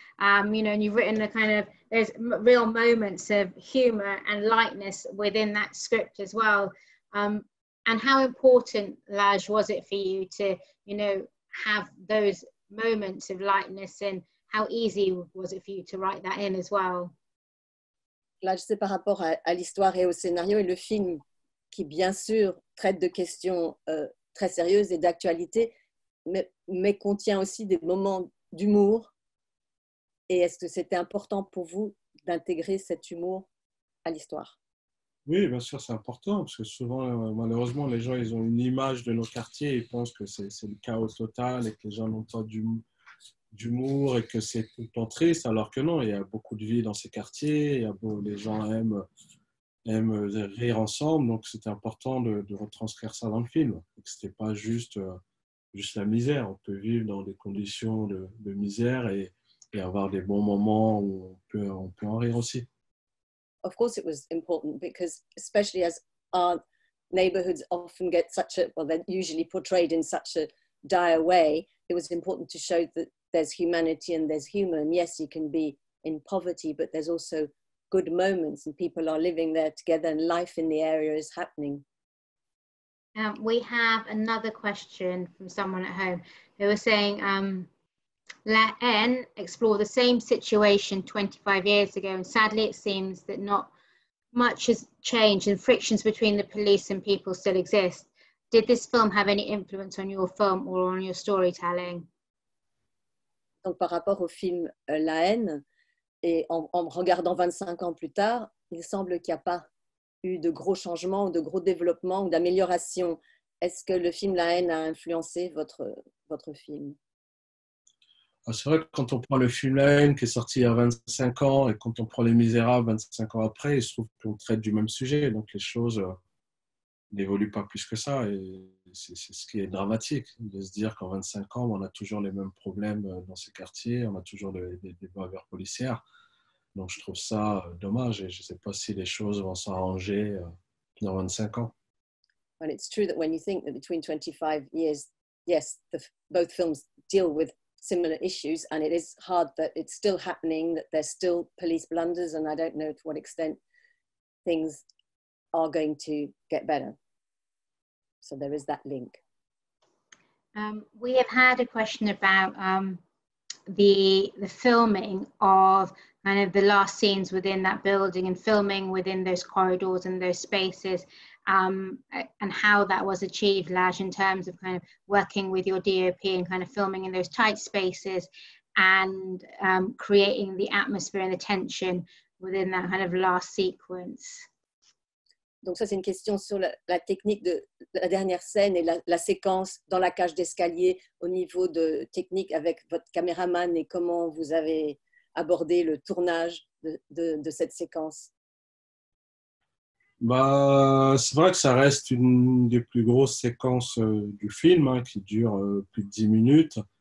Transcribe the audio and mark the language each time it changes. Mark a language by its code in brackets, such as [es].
[en] And you've written a kind of, there's real moments of humor and lightness within that script as well. And how important, Ladj, was it for you to, you know, have those moments of lightness, and how easy was it for you to write that in as well? [fr] Ladj, c'est par rapport à l'histoire et au scénario et le film qui, bien sûr, traite de questions très sérieuses et d'actualité, mais contient aussi des moments d'humour. Et est-ce que c'était important pour vous d'intégrer cet humour à l'histoire? Oui, bien sûr, c'est important, parce que souvent, malheureusement, les gens, ils ont une image de nos quartiers, ils pensent que c'est le chaos total et que les gens n'ont pas d'humour et que c'est tout le temps triste, alors que non, il y a beaucoup de vie dans ces quartiers, les gens aiment rire ensemble, donc c'était important de retranscrire ça dans le film, que ce n'était pas juste la misère. On peut vivre dans des conditions de misère et avoir des bons moments où on peut en rire aussi. [en] Of course it was important, because especially as our neighborhoods often get they're usually portrayed in such a dire way, it was important to show that there's humanity and there's humor, and yes, you can be in poverty, but there's also good moments and people are living there together and life in the area is happening. We have another question from someone at home who was saying, let N explore the same situation 25 years ago, and sadly it seems that not much has changed and frictions between the police and people still exist. Did this film have any influence on your film or on your storytelling? [fr] Donc par rapport au film La Haine, et en regardant 25 ans plus tard, il semble qu'il n'y a pas eu de gros changements ou de gros développements ou d'améliorations Est-ce que le film La Haine a influencé votre film? C'est vrai que quand on prend le film La Haine qui est sorti il y a 25 ans et quand on prend Les Misérables 25 ans après, il se trouve qu'on traite du même sujet. Donc les choses n'évoluent pas plus que ça. Et c'est ce qui est dramatique, de se dire qu'en 25 ans, on a toujours les mêmes problèmes dans ces quartiers, on a toujours des bavures policières. Donc je trouve ça dommage et je ne sais pas si les choses vont s'arranger dans 25 ans. [en] Well, it's true that when you think that between 25 years, yes, both films deal with similar issues, and it is hard that it's still happening, that there's still police blunders, and I don't know to what extent things are going to get better. So there is that link. We have had a question about the filming of kind of the last scenes within that building and filming within those corridors and those spaces. And how that was achieved, Ladj, in terms of kind of working with your DOP and kind of filming in those tight spaces and creating the atmosphere and the tension within that kind of last sequence. [fr] Donc ça, c'est une question sur la technique de la dernière scène et la séquence dans la cage d'escalier au niveau de technique avec votre caméraman et comment vous avez abordé le tournage de cette séquence. Bah, c'est vrai que ça reste une des plus grosses séquences du film, hein, qui dure plus de 10 minutes.